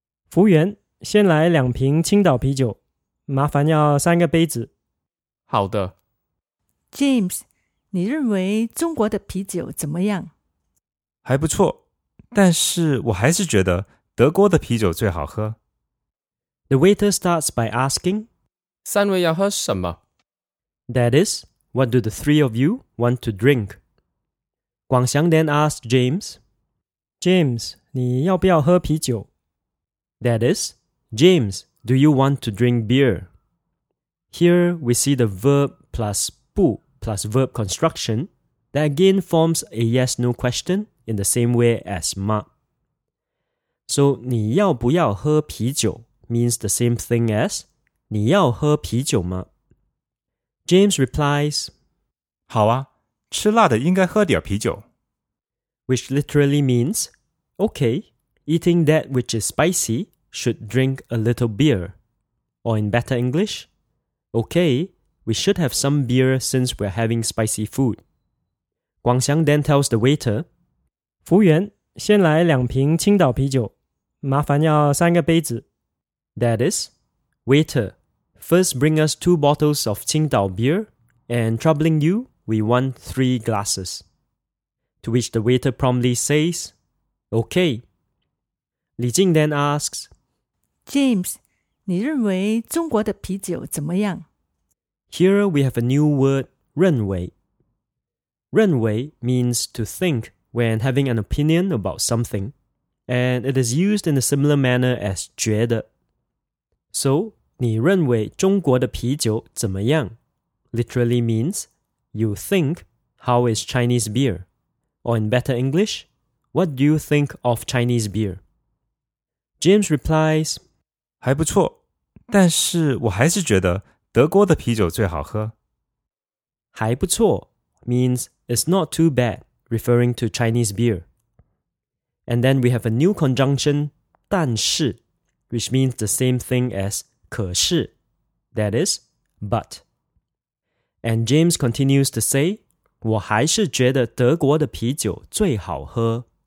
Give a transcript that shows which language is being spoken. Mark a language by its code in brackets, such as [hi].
[zh] 服务员,先来两瓶青岛啤酒,麻烦要三个杯子。好的。 James, 你认为中国的啤酒怎么样? 还不错,但是我还是觉得德国的啤酒最好喝。 [en] The waiter starts by asking, [zh] 三位要喝什么? [en] That is, what do the three of you want to drink? 广祥 then asked James, James, [zh] 你要不要喝啤酒? [en] That is, James, do you want to drink beer? Here we see the verb plus 不 plus verb construction that again forms a yes-no question in the same way as 吗? So [zh] 你要不要喝啤酒 [en] means the same thing as [zh] 你要喝啤酒吗? [en] James replies, [zh] 好啊,吃辣的应该喝点啤酒。 [en] Which literally means, okay, eating that which is spicy should drink a little beer. Or in better English, okay, we should have some beer since we're having spicy food. 广祥 then tells the waiter, [zh] 服务员,先来两瓶青岛啤酒,麻烦要三个杯子。 [en] That is, waiter, first bring us two bottles of 青岛 beer, and troubling you, we want three glasses. To which the waiter promptly says, okay. 李静 then asks, [zh] James, 你认为中国的啤酒怎么样? [en] Here we have a new word, 认为。认为 means to think when having an opinion about something, and it is used in a similar manner as 觉得。 [zh] So, 你认为中国的啤酒怎么样? [en] Literally means, you think, how is Chinese beer? Or in better English, what do you think of Chinese beer? James replies, [zh] 还不错,但是我还是觉得德国的啤酒最好喝。 [en] 还不错 means it's not too bad, referring to Chinese beer. And then we have a new conjunction, 但是, which means the same thing as 可是, that is, but. And James continues to say, [zh] 我还是觉得德国的啤酒最好喝。